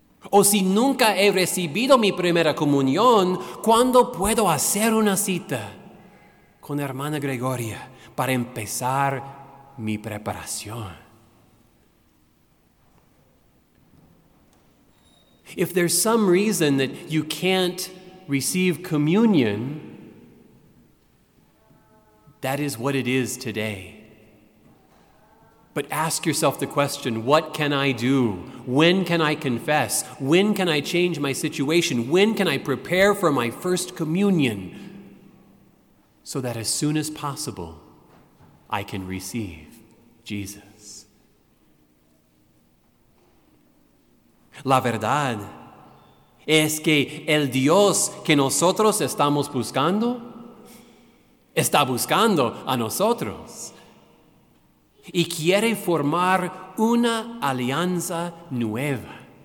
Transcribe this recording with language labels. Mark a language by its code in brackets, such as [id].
[es] O si nunca he recibido mi primera comunión, ¿cuándo puedo hacer una cita con hermana Gregoria para empezar mi preparación? [en] If there's some reason that you can't receive communion, that is what it is today. But ask yourself the question, what can I do? When can I confess? When can I change my situation? When can I prepare for my first communion so that as soon as possible, I can receive Jesus? [es] La verdad es que el Dios que nosotros estamos buscando está buscando a nosotros y quiere formar una alianza nueva.